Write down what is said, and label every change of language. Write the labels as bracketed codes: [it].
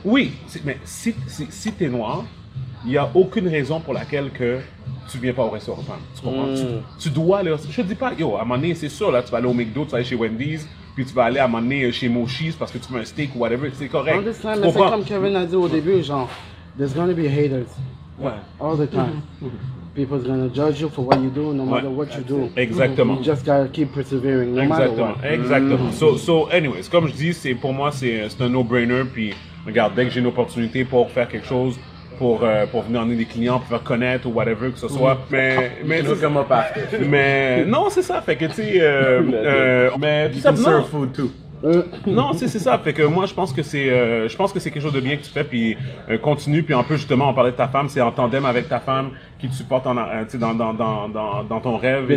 [fr] Oui, mais si t'es noir, il n'y a aucune raison pour laquelle que tu ne viens pas au restaurant. Tu comprends? Tu dois aller. Je ne dis pas, yo, à un moment donné, c'est sûr, là, tu vas aller au McDo, tu vas aller chez Wendy's, puis tu vas aller à un moment donné chez Moshi's parce que tu veux un steak ou whatever. C'est correct. Understand, mais c'est comme Kevin a dit au début, genre, [en] there's going to be haters. [fr] Ouais. [en] All the time. People's going to judge you for what you do, no matter what you do. [fr] Exactement. [en] You just got to keep persevering, no matter what. [fr] Exactement. So, anyways, comme je dis, c'est un no-brainer. Puis, regarde, dès que j'ai une opportunité pour faire quelque chose, pour venir emmener des clients, pour faire connaître ou whatever que ce soit. Je pense que c'est quelque chose de bien que tu fais, puis continue, puis un peu justement, on parlait de ta femme, c'est en tandem avec ta femme qui te supporte dans ton rêve,